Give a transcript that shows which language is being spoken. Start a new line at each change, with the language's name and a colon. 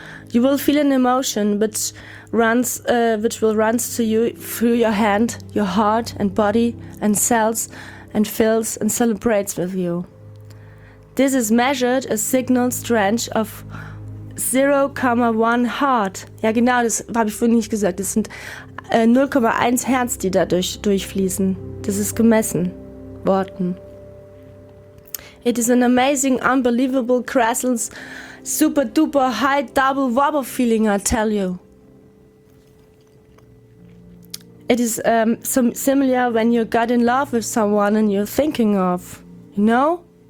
English: You will feel an emotion which will run to you through your hand, your heart and body and cells and fills and celebrates with you. This is measured a signal strength of 0,1 heart.
German: Ja genau, das habe ich vorhin nicht gesagt. Das sind 0,1 Herz, die da durchfließen. Das ist gemessen. Worten.
English: It is an amazing, unbelievable, crassles, super duper high double wobble feeling, I tell you. It is similar when you got in love with someone and you're thinking of, you know?